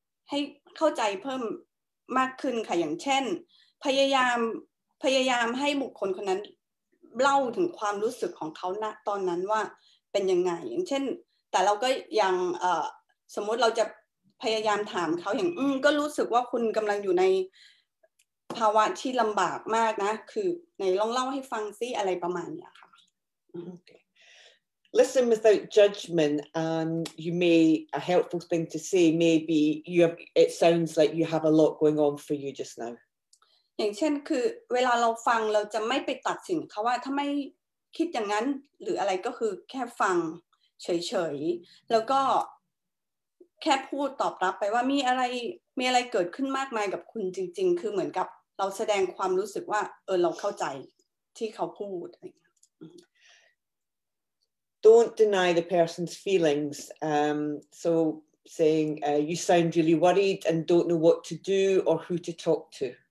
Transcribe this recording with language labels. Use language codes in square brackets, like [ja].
[th] ให้เข้าใจเพิ่มมากขึ้นค่ะอย่างเช่นพยายามให้บุคคลคนนั้นเล่าถึงความรู้สึกของเขาณตอนนั้นว่าเป็นยังไงอย่างเช่นแต่เราก็ยังสมมติเราจะพยายามถามเขาอย่างก็รู้สึกว่าคุณกำลังอยู่ในภาวะที่ลำบากมากนะคือในลองเล่าให้ฟังซิอะไรประมาณนี้ค่ะ [en] okay. Listen without judgment and you may a helpful thing to say maybe you have, it sounds like you have a lot going on for you just now [th] อย่างเช่นคือเวลาเราฟังเราจะไม่ไปตัดสินเขาว่าทำไมคิดอย่างนั้นหรืออะไรก็คือแค่ฟังเฉยๆแล้วก็แค่พูดตอบรับไปว่ามีอะไรเกิดขึ้นมากมายกับคุณจริงๆคือเหมือนกับเราแสดงความรู้สึกว่าเราเข้าใจที่เขาพูด [en] Don't deny the person's feelings so saying you sound really worried and don't know what to do or who to talk to